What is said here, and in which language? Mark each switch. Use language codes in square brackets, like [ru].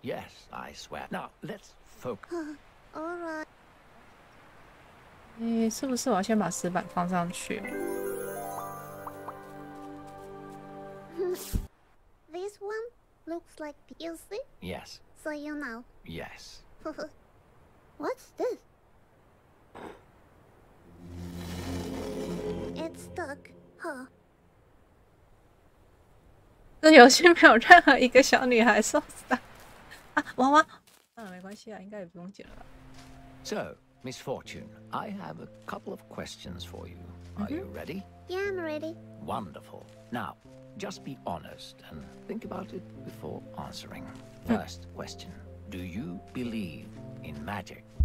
[en] Yes, I swear. Now let's focus. All right. [zh] 是不是我要先把石板放上去？ [en] This one looks like PLC. Yes. So you know. Yes. What's this? It's stuck, huh? [zh] 这游戏没有任何一个小女孩受伤啊！娃娃，算了，没关系啊，应该也不用捡了吧。 [en] So, Miss Fortune, I have a couple of questions for you. Are you ready? Yeah, I'm ready. Wonderful. Now. Just be honest and think about it before answering. First question: Do you believe in magic?